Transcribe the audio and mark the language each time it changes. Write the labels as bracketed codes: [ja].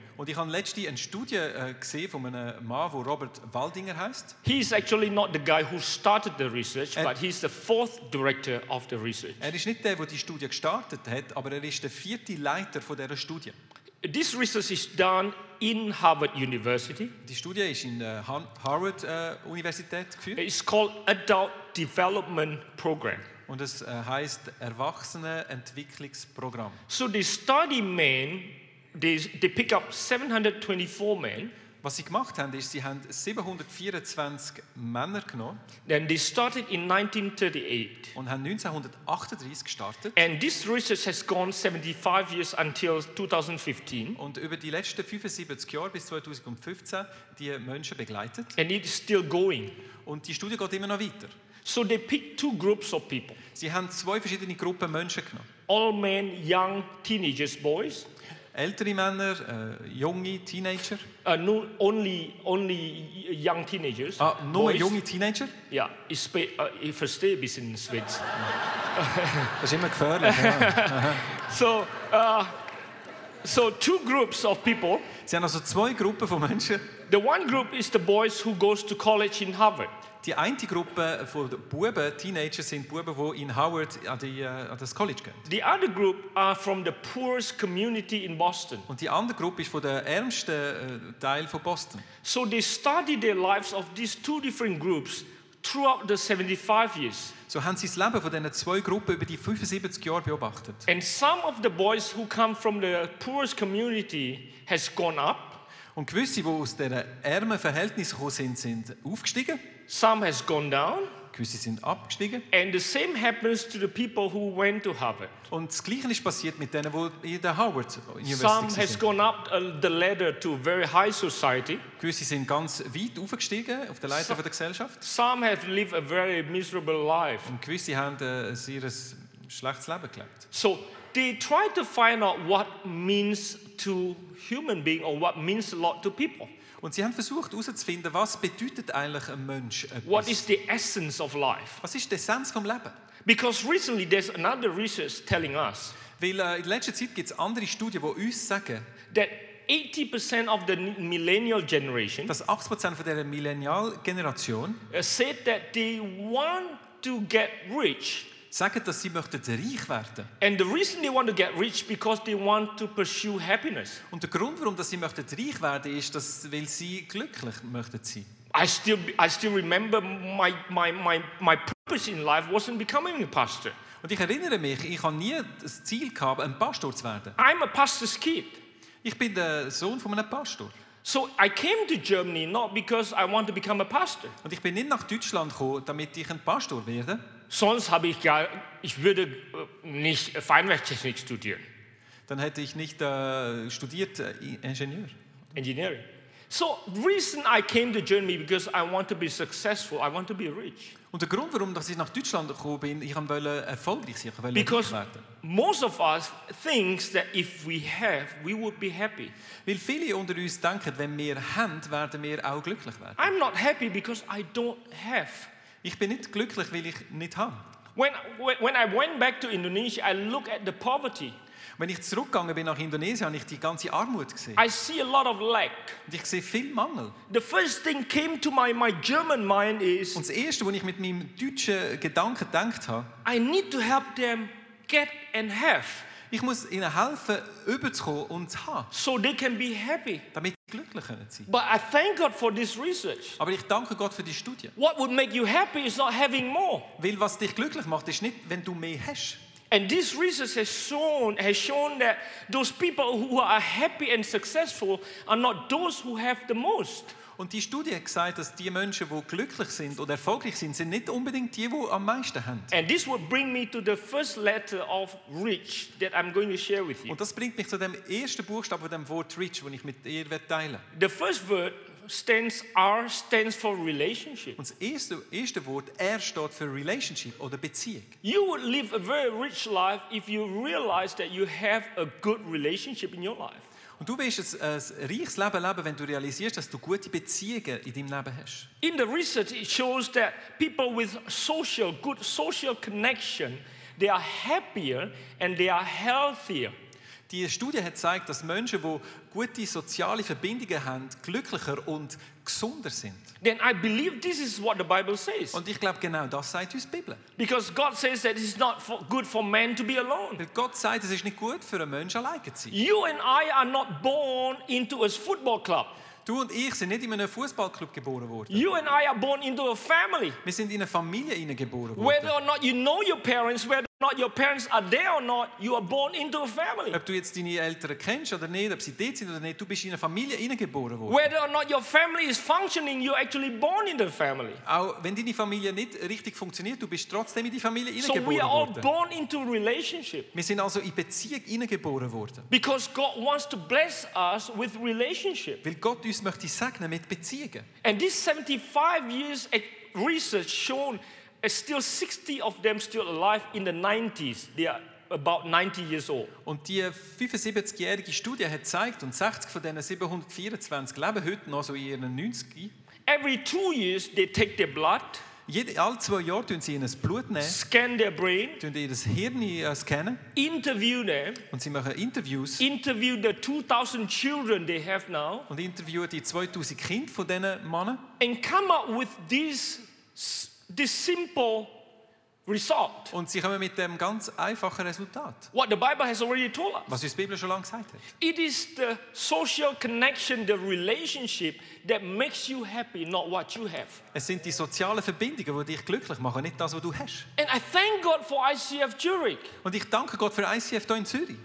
[de] Und ich habe letztens eine Studie gesehen von einem Mann, der Robert Waldinger heißt. [en] He is actually not the guy who started the research, but he's the fourth director of the research. [de] Er ist nicht der, der die Studie gestartet hat, aber er ist der vierte Leiter von dieser Studie. [en] This research is done in Harvard University. [de] Die Studie ist in Harvard Universität geführt. [en] It's called Adult Development Program. [de] Und es heißt Erwachsenenentwicklungsprogramm. [en] So the study men, they pick up 724 men. [de] Was sie gemacht haben, ist, sie haben 724 Männer genommen. [en] Then they started in 1938. [de] Und haben 1938 gestartet. [en] And this research has gone 75 years until 2015. [de] Und über die letzten 75 Jahre bis 2015 die Menschen begleitet. [en] And it's still going. [de] Und die Studie geht immer noch weiter. [en] So they picked two groups of people. [de] Sie haben zwei verschiedene Gruppen Menschen genommen. [en] All men, young, teenagers, boys. [de] Ältere Männer, junge Teenager. [en] Only young teenagers. [de] Nur junge Teenager? Ja, ich verstehe ein bisschen Schwedisch. Das ist immer gefährlich. Ja. [en] So two groups of people. [de] Sie haben also zwei Gruppen von Menschen. [en] The one group is the boys who goes to college in Harvard. [de] Die eine Gruppe von Buben, Teenagers, sind Buben, die in Howard an das College gehen. [en] The other group are from the poorest community in Boston. [de] Und die andere Gruppe ist von der ärmsten Teil von Boston. [en] So they study the lives of these two different groups throughout the 75 years. [de] So haben sie das Leben von diesen zwei Gruppen über die 75 Jahre beobachtet. [en] And some of the boys who come from the poorest community has gone up. [de] Und gewisse, die aus diesen ärmen Verhältnissen gekommen sind, sind aufgestiegen. [en] Some has gone down. [de] Gewisse sind abgestiegen. [en] And the same happens to the people who went to Harvard. [de] Und das Gleiche ist passiert mit denen, wo in der Harvard University [en] Some has [de] sind. [en] Gone up the ladder to very high society. [de] Gewisse sind ganz weit aufgestiegen auf der Leiter von der Gesellschaft. [en] Some have lived a very miserable life. [de] Und gewisse haben ein sehr schlechtes Leben gelebt. [en] So they try to find out what means to human being or what means a lot to people. [de] Und sie haben versucht herauszufinden, was bedeutet eigentlich ein Mensch etwas? [en] What is the essence of life? [de] Was ist die Essenz vom Leben? [en] Because recently there's another research telling us. [de] Weil in letzter Zeit gibt's andere Studien, wo uns sagen, [en] that 80% of the millennial generation, [de] dass 80% von der Millennial-Generation, [en] said that they want to get rich. [de] Sagen, dass sie möchten reich werden. [en] And the reason they want to get rich because they want to pursue happiness. [de] Und der Grund, warum sie möchten reich werden, ist, dass weil sie glücklich möchten sein. [en] I still remember my purpose in life wasn't becoming a pastor. [de] Und ich erinnere mich, ich habe nie das Ziel gehabt, ein Pastor zu werden. [en] I'm a pastor's kid. [de] Ich bin der Sohn von einem Pastor. [en] So I came to Germany not because I want to become a pastor. [de] Und ich bin nicht nach Deutschland gekommen, damit ich ein Pastor werde. Sonst habe ich ja, ich würde nicht Feinwerktechnik studieren. Dann hätte ich nicht studiert Ingenieur. [en] Engineering. So reason I came to Germany because I want to be successful. I want to be rich. [de] Und der Grund, warum ich nach Deutschland gekommen bin, ich wollte erfolgreich sein, ich wollte reich werden. [en] Because most of us thinks that if we have, we would be happy. [de] Weil viele unter uns denken, wenn wir haben, werden wir auch glücklich werden. [en] I'm not happy because I don't have. [de] Ich bin nicht glücklich, weil ich nicht habe. [en] When I went back to Indonesia, I look at the poverty. [de] Wenn ich zurückgegangen bin nach Indonesien, habe ich die ganze Armut gesehen. [en] I see a lot of lack. [de] Und ich sehe viel Mangel. [en] The first thing came to my German mind is. [de] Und das Erste, was ich mit meinem deutschen Gedanken gedacht habe. [en] I need to help them get and have. [de] Ich muss ihnen helfen, überzukommen und zu haben. [en] So they can be happy. [de] Damit sie glücklich sein können. [en] But I thank God for this research. [de] Aber ich danke Gott für die Studie. [en] What would make you happy is not having more. [de] Weil was dich glücklich macht, ist nicht, wenn du mehr hast. [en] And this research has shown that those people who are happy and successful are not those who have the most. [de] Und die Studie hat gesagt, dass die Menschen, die glücklich sind oder erfolgreich sind, sind nicht unbedingt die, die am meisten haben. [en] And this will bring me to the first letter of rich that I'm going to share with you. [de] Und das bringt mich zu dem ersten Buchstaben von dem Wort rich, den ich mit dir teilen werde. [en] The first word stands R stands for relationship. [de] Und das erste Wort R steht für relationship oder Beziehung. [en] You would live a very rich life if you realize that you have a good relationship in your life. [de] Und du wirst ein reiches Leben leben, wenn du realisierst, dass du gute Beziehungen in deinem Leben hast. [en] In the research it shows that people with social, good social connection, they are happier and they are healthier. [de] Die Studie hat gezeigt, dass Menschen, die gute soziale Verbindungen haben, glücklicher und gesünder sind. [en] Then I believe this is what the Bible says. [de] Und ich glaube genau das sagt uns die Bibel. [en] Because God says that it's not good for man to be alone. [de] Weil Gott sagt, es ist nicht gut für einen Menschen alleine zu sein. [en] You and I are not born into a football club. [de] Du und ich sind nicht in einem Fußballclub geboren worden. [en] You and I are born into a family. [de] Wir sind in eine Familie geboren worden. [en] Whether or not you know your parents, whether or not your parents are there or not, you are born into a family. [de] Ob du jetzt deine Eltern kennst oder nicht, ob sie dort sind oder nicht, du bist in eine Familie geboren worden. [en] Whether or not your family is functioning, you are actually born into a family. [de] Auch wenn deine Familie nicht richtig funktioniert, du bist trotzdem in die Familie geboren worden. [en] So we are all born into a relationship. [de] Wir sind also in Beziehung geboren worden. [en] Because God wants to bless us with relationship. [de] Weil Gott uns möchte segnen mit Beziehungen. [en] And this 75 years research shown is still 60 of them still alive in the 90s. They are about 90 years old. [de] Und die 75-jährige Studie hat gezeigt, und 60 von diesen 724 leben heute noch so in ihren 90. [en] Every 2 years they take their blood. [de] Alle zwei Jahre tun sie ihnen Blut nehmen. [en] Scan their brain. [de] Tun ihr das Hirn scannen. Interview nehmen. Und sie machen Interviews. [en] Interview the 2000 children they have now. [de] Und interviewen die 2000 Kinder von diesen Männern. [en] And come up with this simple result. [de] Und sie kommen mit dem ganz einfachen Resultat. [en] What the Bible has already told us. [de] Was uns die Bibel schon lange gesagt hat. [en] It is the social connection, the relationship that makes you happy, not what you have. [de] Es sind die sozialen Verbindungen, die dich glücklich machen, nicht das, was du hast. [en] And I thank God for ICF Zurich. [de] Und ich danke Gott für ICF hier in Zürich.